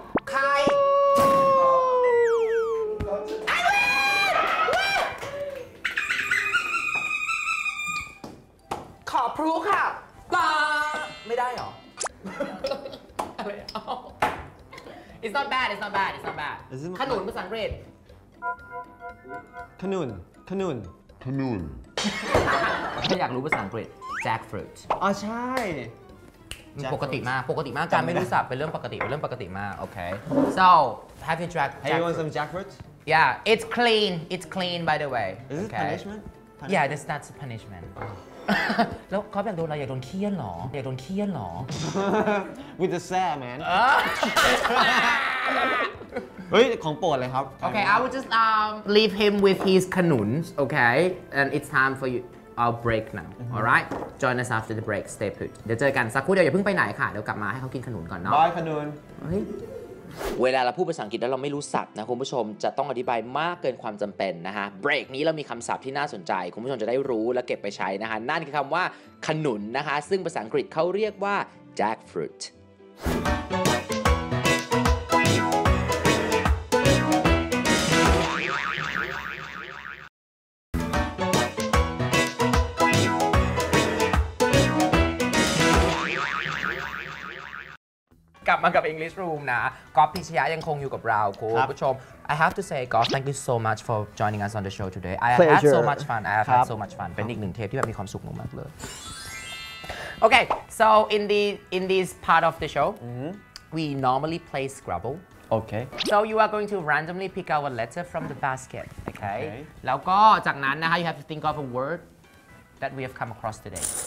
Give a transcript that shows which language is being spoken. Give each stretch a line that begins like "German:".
Thai: ใครขอพลุค่ะปาไม่ได้หรออะไรเอา
English: It's not bad it's not bad
Thai: ขนุนภาษาอังกฤษ ขนุนขนุน ขนุน ถ้าอยากรู้ภาษาอังกฤษ Jackfruit อ๋อใช่ปกติมากปกติมากการไม่รู้ศัพท์เป็นเรื่องปกติเป็นเรื่องปกติมากโอเค
English: So have you tried Have you want some Jackfruit Yeah it's clean it's clean by the way Is it punishment Yeah this that's punishment
Thai: แล้วเขาอยากโดนอะไรอยากโดนเคี้ยนหรออยากโดนเคี้ยนหรอ
English: With the sad man
Thai: เฮ้ยของโปรดเลยครับ
English: โอเค I will just leave him with his canoons okay and it's time for you our break now alright join us after the break stay put
Thai: เดี๋ยวเจอกันสักครู่เดียวอย่าเพิ่งไปไหนค่ะเดี๋ยวกลับมาให้เขากินขนุนก่อนเนาะ บายขนุน เวลาเราพูดภาษาอังกฤษแล้วเราไม่รู้ศัพท์นะคุณผู้ชมจะต้องอธิบายมากเกินความจำเป็นนะฮะเบรกนี้เรามีคำศัพท์ที่น่าสนใจคุณผู้ชมจะได้รู้และเก็บไปใช้นะฮะนั่นคือคำว่า ขนุนนะคะซึ่งภาษาอังกฤษเขาเรียกว่า jackfruit กลับมากับ English Room นะก๊อฟพิชยายังคงอยู่กับเราคุณผู้ชม
English: I have to say Goff thank you so much for joining us on the show today I Pleasure. had so much fun I had so much fun
Thai: เป็นอีกหนึ่งเทปที่แบบมีความสุขมากเลยโอเค
English: so in this part of the show we normally play Scrabble okay so you are going to randomly pick out a letter from the basket okay, okay.
Thai: แล้วก็จากนั้นนะคะ
English: you have to think of a word that we have come across today